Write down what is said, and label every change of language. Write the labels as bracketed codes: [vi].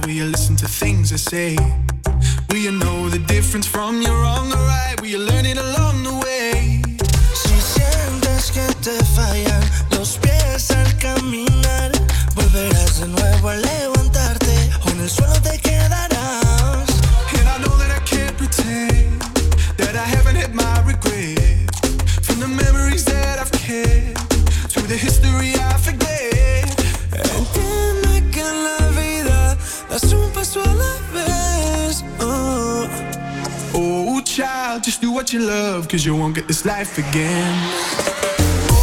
[en] Will you listen to things I say? Will you know the difference from your wrong or right? Will you learn it along the way? [es] Si sientes que te fallan los pies al caminar, volverás de nuevo a levantarte o en el suelo te quedarás. [en] And I know that I can't pretend that I haven't had my regrets from the memories that I've kept through the history I forget. [es] Entiende que en la vida das un paso a la vez. [en] Oh, child, just do what you love, 'cause you won't get this life again.